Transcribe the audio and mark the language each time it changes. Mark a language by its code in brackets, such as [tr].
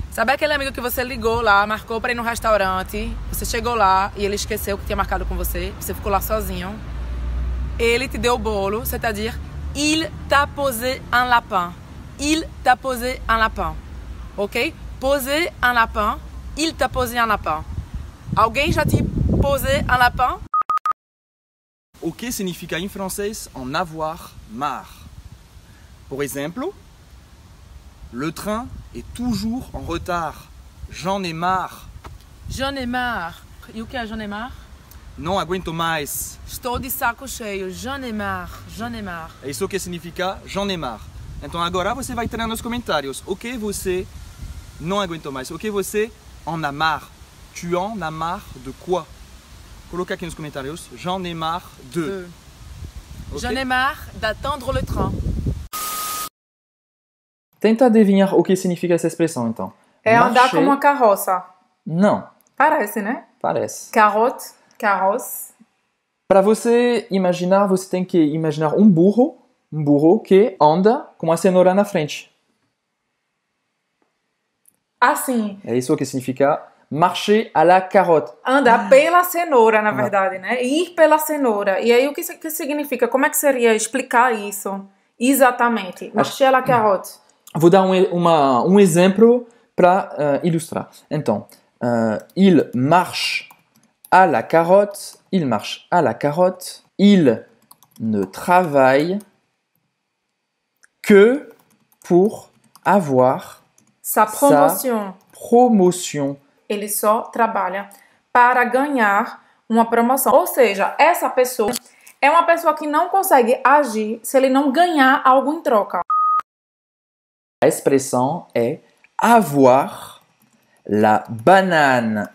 [pt] Sabe aquele amigo que você ligou lá, marcou pra ir no restaurante, você chegou lá e ele esqueceu que tinha marcado com você, você ficou lá sozinho, ele te deu o bolo, [fr] c'est-à-dire, il t'a posé un lapin. Il t'a posé un lapin. Ok? Posé un lapin. Il t'a posé un lapin. [pt] Alguém já te [fr] posé un lapin? [pt] Ok significa em francês [fr] en avoir marre. Por exemplo, le train est toujours en retard. J'en ai marre. J'en ai marre. [pt] E o que é [fr] j'en ai marre? [pt] Non aguento mais. Estou de saco cheio. [fr] J'en ai marre. J'en ai marre. [pt] Isso que significa [fr] j'en ai marre. [pt] Então agora você vai treinar nos comentários. O que você não aguento mais? O que você [fr] en a marre? Tu en a marre de quoi? [pt] Coloca aqui nos comentários. [fr] J'en ai marre de. Okay? J'en ai marre d'attendre le train. [pt] Tenta adivinhar o que significa essa expressão, então. É marcher... andar como uma carroça. Não. Parece, né? Parece. Carrote, carroça. Para você imaginar, você tem que imaginar um burro que anda com a cenoura na frente. Assim. É isso que significa [fr] marcher à la carotte. [pt] Andar pela cenoura, na verdade, né? Ir pela cenoura. E aí, o que significa? Como é que seria explicar isso exatamente? [fr] Marcher à la carotte. [pt] Vou dar um exemplo para ilustrar. [fr] Então, il marche à la carotte. Il marche à la carotte. Il ne travaille que pour avoir sa promotion. Sa promotion. [pt] Ele só trabalha para ganhar uma promoção. Ou seja, essa pessoa é uma pessoa que não consegue agir se ele não ganhar algo em troca. A expressão é avoir la banane.